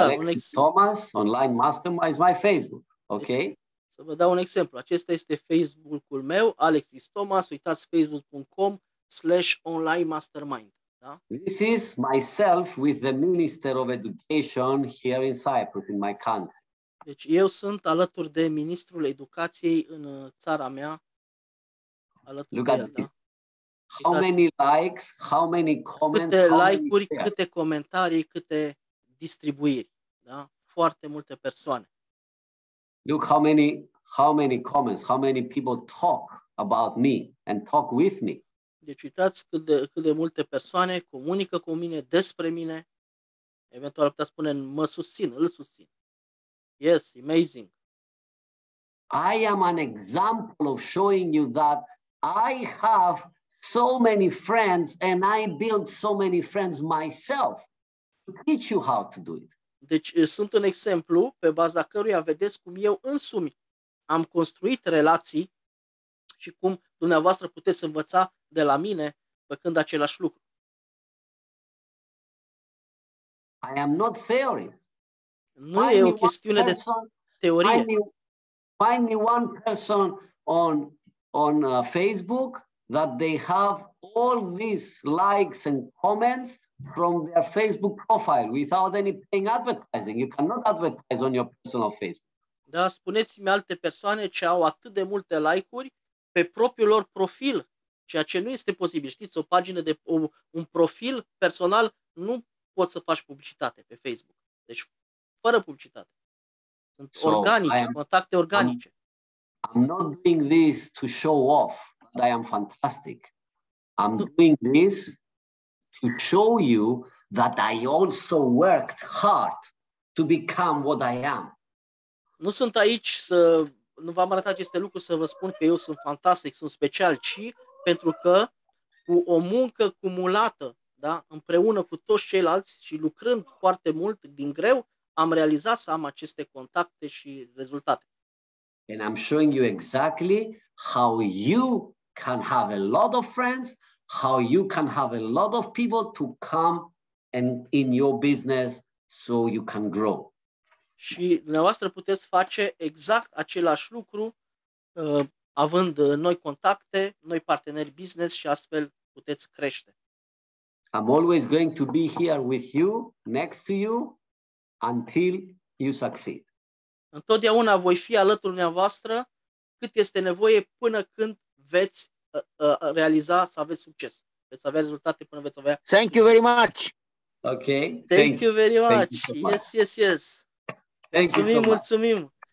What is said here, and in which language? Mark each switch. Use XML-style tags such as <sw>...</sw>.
<en>Alexis un Thomas, Online Mastermind, is my Facebook. Okay.</en> <ro>Să vă dau un exemplu. Acesta este Facebook-ul meu, Alexis Thomas. Uitați facebook.com/onlinemastermind. Da?</ro> <en>This is myself with the Minister of Education here in Cyprus, in my country.</en> <ro>Deci eu sunt alături de Ministrul Educației în țara mea.</ro> <en>Look at this. Da? How many likes, how many comments,</en> <ro>câte like-uri, câte comentarii, câte distribuiri. Da? Foarte multe persoane.</ro> <en>Look how many comments, how many people talk about me and talk with me.</en> <ro>Deci uitați cât de multe persoane comunică cu mine, despre mine. Eventual puteți spune, mă susțin, îl susțin.</ro> <en>Yes, amazing. I am an example of showing you that I have so many friends and I built so many friends myself to teach you how to do it.</en> <ro>Deci sunt un exemplu pe baza căruia vedeți cum eu însumi am construit relații și cum dumneavoastră puteți învăța de la mine făcând același lucru.</ro> <en>I am not theory.</en> <ro>Nu e o chestiune de teorie.</ro> <en>Find me one person on Facebook that they have all these likes and comments from their Facebook profile without any paying advertising. You cannot advertise on your personal Facebook.</en> <ro>Da, spuneți-mi alte persoane ce au atât de multe like-uri pe propriul lor profil, ceea ce nu este posibil. Știți, o pagină de un profil personal nu poți să faci publicitate pe Facebook. Deci fără publicitate. Sunt contacte organice.</ro> <en>I'm not doing this to show off that I am fantastic. I'm doing this to show you that I also worked hard to become what I am.</en> <ro>Nu sunt aici să nu v-am arătat aceste lucruri să vă spun că eu sunt fantastic, sunt special, ci pentru că cu o muncă cumulată, da, împreună cu toți ceilalți și lucrând foarte mult din greu, am realizat să am aceste contacte și rezultate.</ro> <en>And I'm showing you exactly how you can have a lot of friends, how you can have a lot of people to come and in your business so you can grow.</en> <ro>Și dumneavoastră puteți face exact același lucru având noi contacte, noi parteneri business și astfel puteți crește.</ro> <en>I'm always going to be here with you, next to you, until you succeed.</en> <ro>Întotdeauna voi fi alături dumneavoastră cât este nevoie până când veți realiza să aveți succes. Veți avea rezultate până veți avea.</ro> <en>Thank you very much! Okay. Thank you very much. Yes, yes, yes.</en> <ro>Mulțumim.</ro>